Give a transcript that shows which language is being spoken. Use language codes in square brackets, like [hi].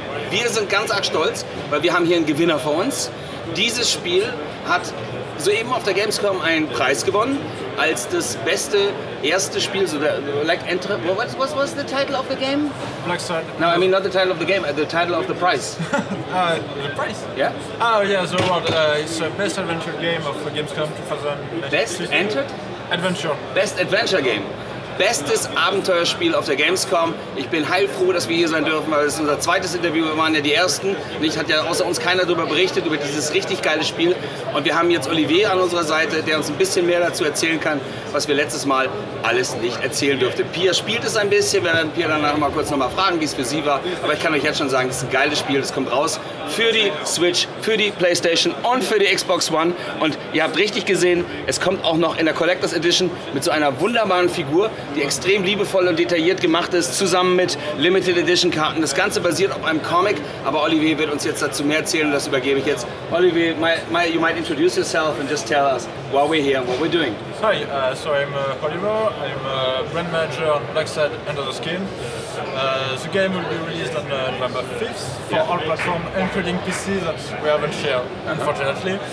[de] Wir sind ganz arg stolz, weil wir haben hier einen Gewinner vor uns. Dieses Spiel hat soeben auf der Gamescom einen Preis gewonnen als das beste erste Spiel. [en] So der, like enter, what was the title of the game? Blacksad. No, I mean not the title of the game, the title of the prize. The prize? Yeah. Oh yeah. So what? It's a best adventure game of the Gamescom 2019. Best entered? Adventure. Best adventure game. Bestes Abenteuerspiel auf der Gamescom. [de] Ich bin heilfroh, dass wir hier sein dürfen, weil es ist unser zweites Interview. Wir waren ja die Ersten. Nicht, hat ja außer uns keiner darüber berichtet, über dieses richtig geile Spiel. Und wir haben jetzt Olivier an unserer Seite, der uns ein bisschen mehr dazu erzählen kann, was wir letztes Mal alles nicht erzählen durften. Pia spielt es ein bisschen. Wir werden Pia danach mal kurz nochmal fragen, wie es für sie war. Aber ich kann euch jetzt schon sagen, es ist ein geiles Spiel. Es kommt raus für die Switch, für die PlayStation und für die Xbox One. Und ihr habt richtig gesehen, es kommt auch noch in der Collector's Edition mit so einer wunderbaren Figur, die extrem liebevoll und detailliert gemacht ist, zusammen mit Limited Edition Karten. Das Ganze basiert auf einem Comic, aber Olivier wird uns jetzt dazu mehr erzählen und das übergebe ich jetzt. [en] Olivier, you might introduce yourself and just tell us why we're here and what we're doing. Hi, so I'm Oliver, I'm a brand manager on Blacksad Under the Skin. The game will be released on November 5th for all platforms, including PC that we haven't shared, unfortunately.